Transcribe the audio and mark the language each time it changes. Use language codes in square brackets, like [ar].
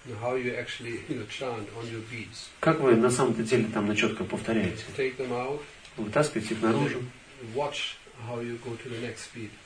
[en] How you actually, you know, chant on your beats. [ru] Как вы на самом-то деле там на четко повторяете? [en] Take them out. [ru] Вытаскивайте их наружу. [en] Watch how you go to the next beat.